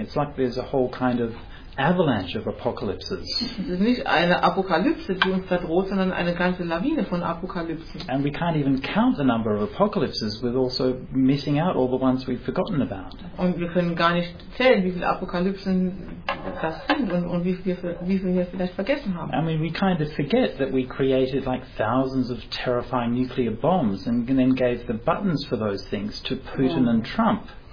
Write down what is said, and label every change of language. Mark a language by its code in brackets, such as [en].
[en] It's like there's a whole kind of avalanche of apocalypses. [de] Es ist nicht eine Apokalypse, die uns verdroht, sondern eine ganze Lawine von Apokalypsen. [en] And we can't even count the number of apocalypses, with also missing out all the ones we've forgotten about. [de] Und wir können gar nicht zählen, wie viele Apokalypsen das sind und wie viel wir vielleicht vergessen haben. [en] I mean, we kind of forget that we created like thousands of terrifying nuclear bombs and then gave the buttons for those things to Putin and Trump.